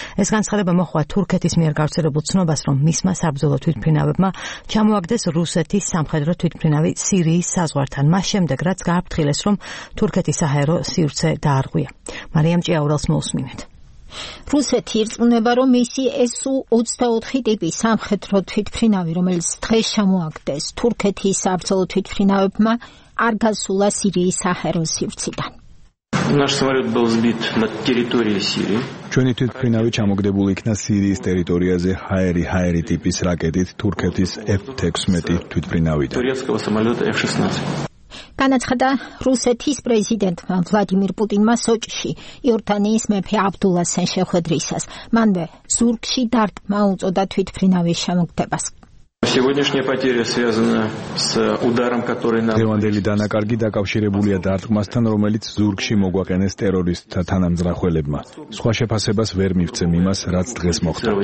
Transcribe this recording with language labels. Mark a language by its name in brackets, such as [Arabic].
[Georgian] ეს განცხადება მოხდა თურქეთის მიერ გავრცელებულ ცნობას, რომ მისმა საბრძოლო თვითმფრინავებმა ჩამოაგდეს რუსეთის სამხედრო თვითმფრინავი სირიის საზღვართან, მას შემდეგ რაც გააფრთხილეს, რომ თურქეთის საჰაერო სივრცე დაარღვია. მარიამ ჭიაურელს მოუსმინეთ. რუსეთი ირწმუნება, რომ მისი SU-24 ტიპის სამხედრო თვითმფრინავი, რომელიც დღეს ჩამოაგდეს თურქეთის საბრძოლო თვითმფრინავებმა, არ გასულა სირიის საჰაერო სივრციდან. [Russian] Наш самолёт был сбит на территории Сирии. [Georgian] ჩვენი თვითმფრინავი ჩამოგდებული იქნა სირიის ტერიტორიაზე ჰაერი ტიპის რაკეტით თურქეთის F-16 თვითმფრინავიდან. [Russian] Турецкого самолёта F-16. [Georgian] განაცხადა რუსეთის პრეზიდენტ ვლადიმირ პუტინმა სოჭში იორდანიის მეფე აბდულასთან შეხვედრისას. მანვე ზურგში დარტმა უწოდა თვითმფრინავის შემოგდებას. [Russian] Сегодняшняя потеря связана с ударом, который нам [Georgian] დევანდელი დანაკარგი დაკავშირებულია დარტყმასთან, რომელიც ზურგში მოგვაყენეს ტერორისტთა თანამძღვრელებმა. სხვა შეფასებას ვერ მივცემ იმას, რაც დღეს მოხდა.